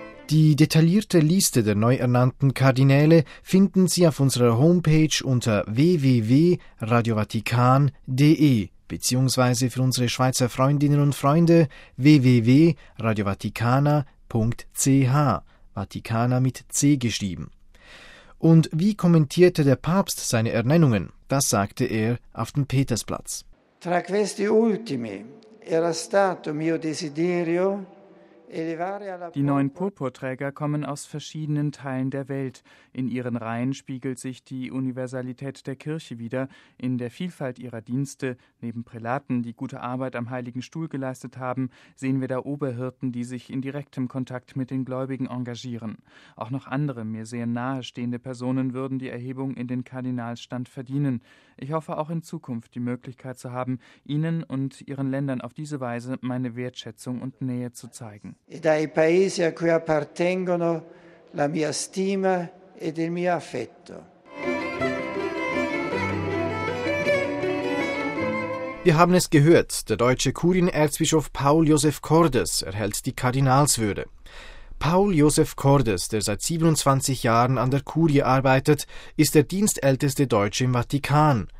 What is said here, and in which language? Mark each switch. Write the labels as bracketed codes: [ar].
[de] Die detaillierte Liste der neu ernannten Kardinäle finden Sie auf unserer Homepage unter www.radiovatikan.de bzw. für unsere Schweizer Freundinnen und Freunde www.radiovaticana.ch, Vatikaner mit C geschrieben. Und wie kommentierte der Papst seine Ernennungen? Das sagte er auf dem Petersplatz. [it] Tra questi ultimi era stato mio desiderio. [de] Die neuen Purpurträger kommen aus verschiedenen Teilen der Welt. In ihren Reihen spiegelt sich die Universalität der Kirche wider, in der Vielfalt ihrer Dienste. Neben Prälaten, die gute Arbeit am Heiligen Stuhl geleistet haben, sehen wir da Oberhirten, die sich in direktem Kontakt mit den Gläubigen engagieren. Auch noch andere, mir sehr nahestehende Personen würden die Erhebung in den Kardinalstand verdienen. Ich hoffe auch in Zukunft die Möglichkeit zu haben, Ihnen und Ihren Ländern auf diese Weise meine Wertschätzung und Nähe zu zeigen. [it] E dai paesi a cui appartengono la mia stima ed il mio affetto. [de] Wir haben es gehört, der deutsche Kurienerzbischof Paul Josef Cordes erhält die Kardinalswürde. Paul Josef Cordes, der seit 27 Jahren an der Kurie arbeitet, ist der dienstälteste Deutsche im Vatikan.